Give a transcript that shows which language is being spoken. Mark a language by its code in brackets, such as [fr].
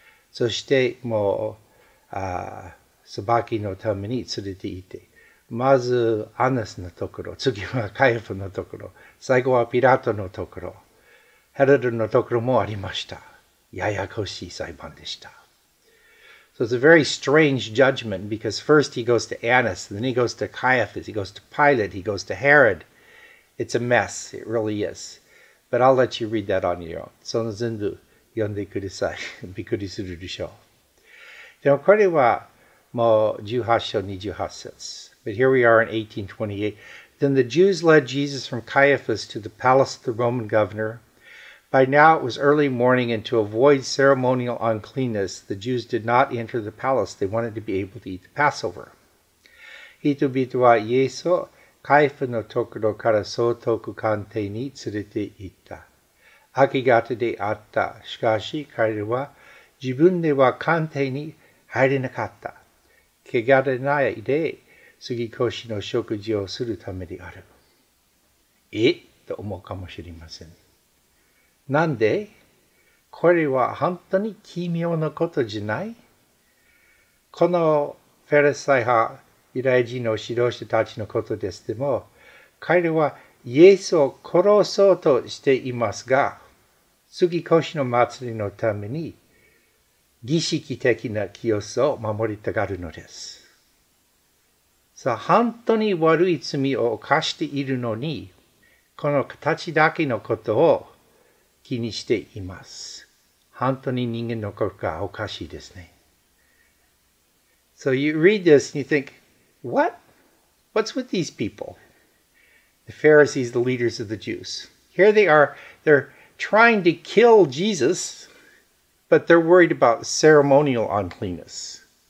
[ja] そしてもう、裁きのために連れて行って。まず、アナスのところ、次はカイフのところ、最後はピラトのところ、ヘロドのところもありました。ややこしい裁判でした。 [en] So it's a very strange judgment because first he goes to Annas, then he goes to Caiaphas, he goes to Pilate, he goes to Herod, It's a mess. It really is. But I'll let you read that on your own. [ja] その全部読んでください。びっくりするでしょう。でもこれはもう18章28節。 [en] But here we are in 1828. Then the Jews led Jesus from Caiaphas to the palace of the Roman governor. By now it was early morning, and to avoid ceremonial uncleanness, the Jews did not enter the palace. They wanted to be able to eat the Passover. [ja] 人々はイエスをカイファのところから総督官邸に連れて行った。明け方であった。しかし彼は自分では官邸に入れなかった。けがれないで過ぎ越しの食事をするためである。え? と思うかもしれません。なんで? これは本当に奇妙なことじゃない?このフェレサイ派、ユダヤ人の指導者たちのことですでも、彼らはイエスを殺そうとしていますが、次越しの祭りのために、儀式的な清さを守りたがるのです。さあ、本当に悪い罪を犯しているのに、この形だけのことを気にしています。本当に人間の心がおかしいですね。 [en] So you read this and you think,What? What's with these people? The Pharisees, the leaders of the Jews. Here they are. They're trying to kill Jesus, but they're worried about ceremonial uncleanness.